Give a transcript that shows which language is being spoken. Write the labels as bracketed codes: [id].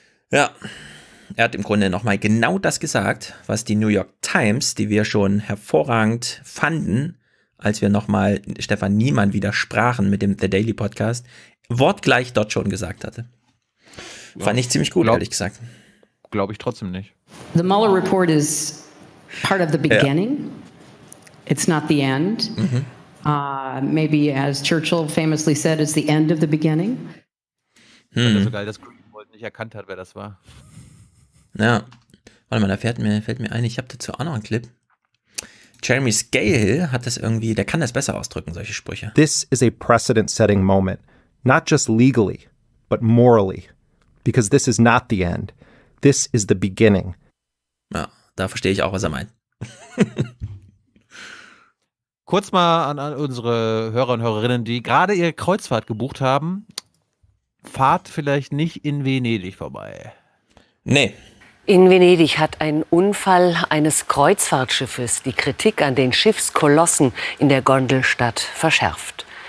[de] Ja, er hat im Grunde nochmal genau das gesagt, was die New York Times, die wir schon hervorragend fanden, als wir nochmal Stefan Niemann widersprachen mit dem The Daily Podcast, wortgleich dort schon gesagt hatte. Ja, fand ich ziemlich gut, ehrlich gesagt. Glaube ich trotzdem nicht. [en] The Mueller Report is part of the beginning. [de] Ja. [en] It's not the end. Mhm. Maybe as Churchill famously said, it's the end of the beginning. [de] Das war so geil, dass Greenwald nicht erkannt hat, wer das war. Ja, warte mal, da fällt mir ein, ich habe dazu auch noch einen Clip. Jeremy Scahill hat das irgendwie, der kann das besser ausdrücken, solche Sprüche. [en] This is a precedent-setting moment, not just legally, but morally. Because this is not the end, this is the beginning. [de] Ja, da verstehe ich auch, was er meint. Kurz mal an unsere Hörer und Hörerinnen, die gerade ihre Kreuzfahrt gebucht haben, fahrt vielleicht nicht in Venedig vorbei. Nee. In Venedig hat ein Unfall eines Kreuzfahrtschiffes die Kritik an den Schiffskolossen in der Gondelstadt verschärft.